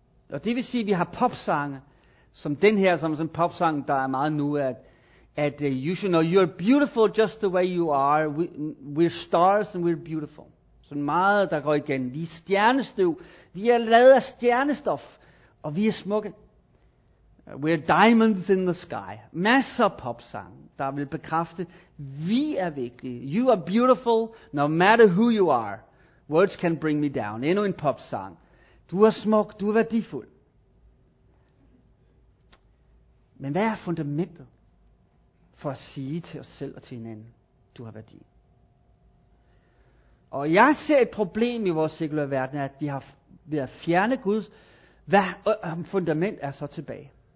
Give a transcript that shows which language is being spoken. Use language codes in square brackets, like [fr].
[da] Og det vil sige, at vi har popsange, som den her, som sådan en popsang, der er meget nu, at [en] you should know, you're beautiful just the way you are, we're stars and we're beautiful. [da] Sådan meget, der går igen. Vi er stjernestøv, vi er lavet af stjernestof, og vi er smukke. [en] We're diamonds in the sky. [da] Masser af popsange, der vil bekræfte, vi er vigtige. [en] You are beautiful no matter who you are. Words can bring me down. [da] Endnu en popsang. Du er smuk, du er værdifuld. Men hvad er fundamentet for at sige til os selv og til hinanden, du har værdi? Og jeg ser et problem i vores sekulære verden, at vi har ved at fjerne Gud, hvad fundament er så tilbage?